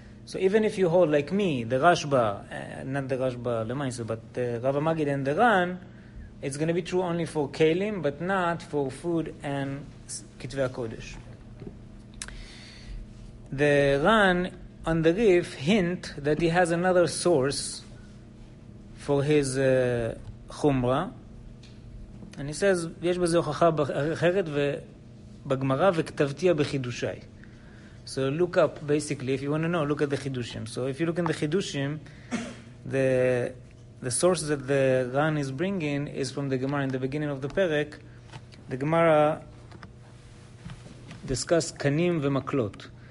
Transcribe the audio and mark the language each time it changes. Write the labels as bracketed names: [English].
[English] So even if you hold, like me, the Rashba, not the Rashba Lemaisa, but the Rav HaMagid and the Ran, it's going to be true only for Kelim, but not for food and Kitvei HaKodesh. The Ran on the Rif hint that he has another source for his Chumra. And he says, [Hebrew] יש בזה הוכחה אחרת בגמרא וכתבתיה בחידושי. [English] So look up, basically, if you want to know, look at the Chidushim. So if you look in the Chidushim, the source that the Ran is bringing is from the Gemara. In the beginning of the Perek, the Gemara discuss Kanim v'Maklot.